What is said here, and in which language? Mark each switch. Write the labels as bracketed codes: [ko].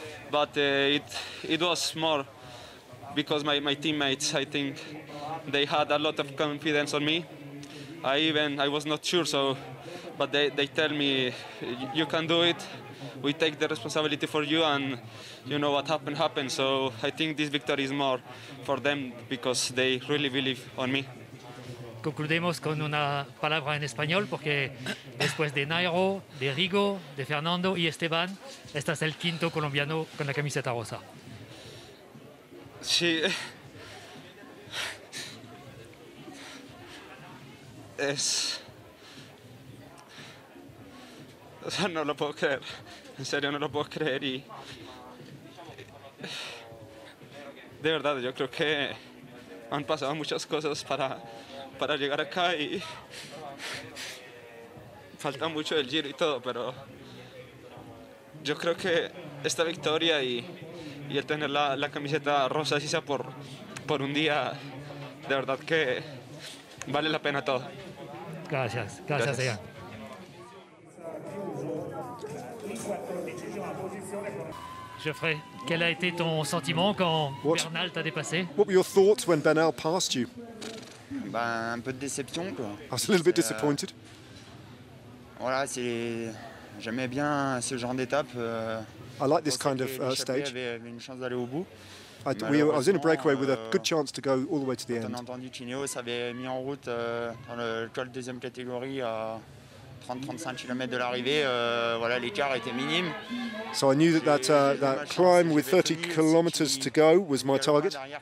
[en] But it was more because my teammates, I think, they had a lot of confidence on me. I was not sure, so, but they tell me, you can do it. We take the responsibility for you, and you know what happened. So I think this victory is more for them because they really believe on me. [es] Concludemos con una palabra en español, porque después de Nairo, de Rigo, de Fernando y Esteban, este es el quinto colombiano con la camiseta rosa. Sí. Es... O sea, no lo puedo creer. En serio, no lo puedo creer. Y... De verdad, yo creo que han pasado muchas cosas para llegar acá y falta mucho del giro y todo, pero yo creo que esta victoria y el tener la camiseta rosa, así sea por un día, de verdad que vale la pena todo. Gracias, gracias, Egan. [fr] Geoffrey, quel a été ton sentiment quand Bernal t'a dépassé? [en] What were your thoughts when Bernal passed you? [fr] Ben, un peu de déception, quoi. [en] I was a little bit disappointed. [fr] Voilà, c'est... J'aimais bien ce genre d'étape. [en] I like this kind of stage. [fr] J'avais une chance d'aller au bout. [en] I was in a breakaway with a good chance to go all the way to the end. [fr] On a entendu Tineo, ça avait mis en route dans le col deuxième catégorie à 30-35 km de l'arrivée. Voilà, l'écart était minime. [en] So I knew that climb with 30 kilometers to go was my target.